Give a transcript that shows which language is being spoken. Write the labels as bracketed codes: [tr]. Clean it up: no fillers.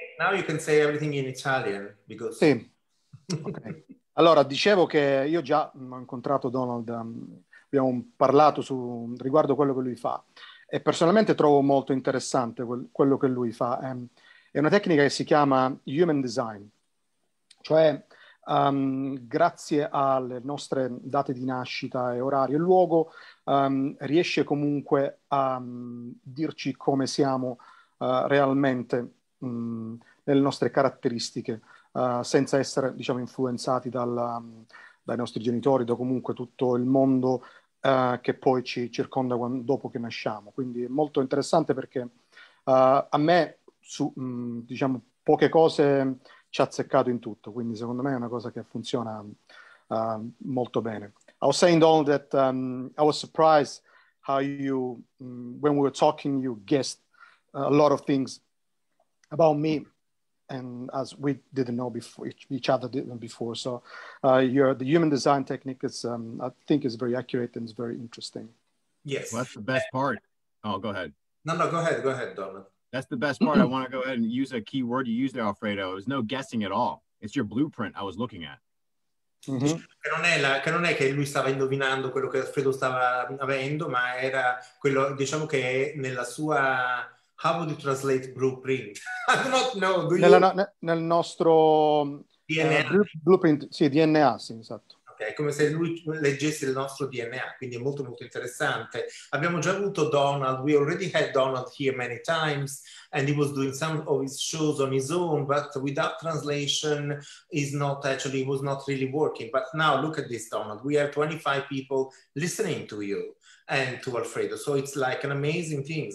[en] Now you can say everything in Italian because. [it] Sì. Okay. Allora, dicevo che io già ho incontrato Donald, abbiamo parlato su riguardo quello che lui fa, e personalmente trovo molto interessante quello che lui fa. È una tecnica che si chiama human design, cioè grazie alle nostre date di nascita e orario e luogo riesce comunque a dirci come siamo realmente nelle nostre caratteristiche, senza essere, diciamo, influenzati dai nostri genitori, da comunque tutto il mondo che poi ci circonda dopo che nasciamo. Quindi è molto interessante perché a me, su diciamo, poche cose ci ha azzeccato in tutto, quindi secondo me è una cosa che funziona molto bene. [en] I was saying, Donald, that I was surprised how you, when we were talking, you guessed a lot of things about me, and as we didn't know before, each other didn't before. So the human design technique is, I think, is very accurate and it's very interesting. Yes. Well, that's the best part. Oh, go ahead. No, go ahead, Donald. That's the best part. I want to go ahead and use a key word you used there, Alfredo. It was no guessing at all. It's your blueprint I was looking at. [it] Mm-hmm. Che non è che lui stava indovinando quello che Alfredo stava avendo, ma era quello, diciamo, che è nella sua, [en] how would you translate blueprint? I don't know. [it] Nel nostro DNA. Blueprint, sì, DNA, sì, esatto. Ok, come se lui leggesse il nostro DNA, quindi è molto molto interessante. Abbiamo già avuto Donald, [en] we already had Donald here many times, and he was doing some of his shows on his own, but without translation, he was not really working. But now look at this, Donald, we have 25 people listening to you and to Alfredo, so it's like an amazing thing.